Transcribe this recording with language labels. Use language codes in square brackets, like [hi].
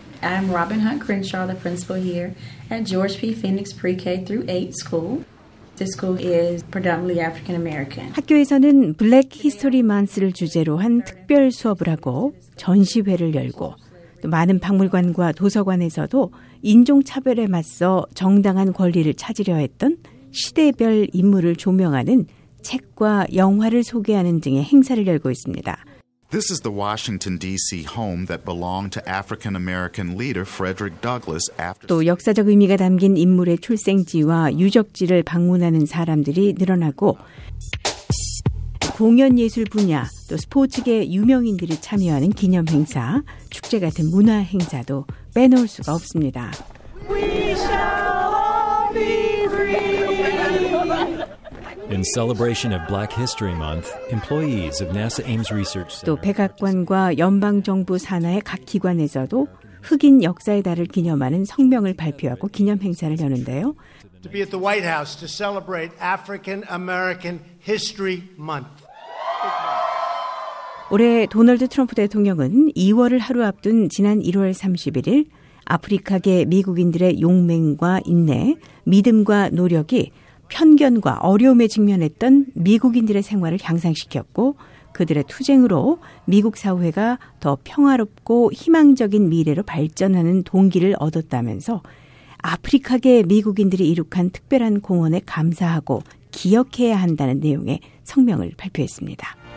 [en] I'm Robin Hunt Crenshaw, the principal here at George P. Phoenix Pre-K through 8 school. This school is predominantly African American. [ko] 학교에서는 Black History Month를 주제로 한 특별 수업을 하고 전시회를 열고 또 많은 박물관과 도서관에서도 인종차별에 맞서 정당한 권리를 찾으려 했던 시대별 인물을 조명하는 책과 영화를 소개하는 등의 행사를 열고 있습니다. [en] This is the Washington D.C. home that belonged to African American leader Frederick Douglass. [ko] 또 역사적 의미가 담긴 인물의 출생지와 유적지를 방문하는 사람들이 늘어나고 공연 예술 분야 또 스포츠계 유명인들이 참여하는 기념 행사, 축제 같은 문화 행사도 빼놓을 수가 없습니다. [en] We shall all be free. In celebration of Black History Month, employees of NASA Ames Research Center [ko] 또 백악관과 연방 정부 산하의 각 기관에서도 흑인 역사의 달을 기념하는 성명을 발표하고 기념 행사를 여는데요. [en] To be at the White House to celebrate African American History Month. [ko] 올해 도널드 트럼프 대통령은 2월을 하루 앞둔 지난 1월 31일 아프리카계 미국인들의 용맹과 인내, 믿음과 노력이 편견과 어려움에 직면했던 미국인들의 생활을 향상시켰고 그들의 투쟁으로 미국 사회가 더 평화롭고 희망적인 미래로 발전하는 동기를 얻었다면서 아프리카계 미국인들이 이룩한 특별한 공헌에 감사하고 기억해야 한다는 내용의 성명을 발표했습니다.